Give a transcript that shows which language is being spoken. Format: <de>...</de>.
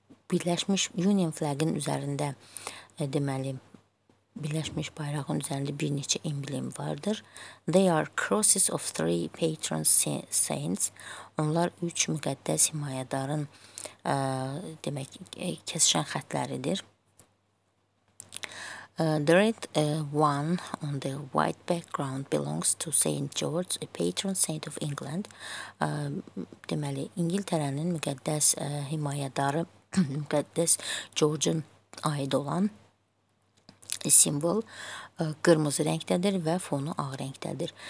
<az>Birləşmiş Union flag'in üzərində, deməli, Birləşmiş bayrağın üzərində bir neçə emblem vardır.</az> <en>They are crosses of three patron saints.</en> <az>Onlar üç müqəddəs himayədarın, demək, kəsişən xətləridir.</az> <en>The red one on the white background belongs to Saint George, a patron saint of England.</en> <az>Deməli, İngiltərənin müqəddəs himayədarı, müqəddəs George'un aid olan simvol kırmızı renktədir və fonu ağ renktədir.</az>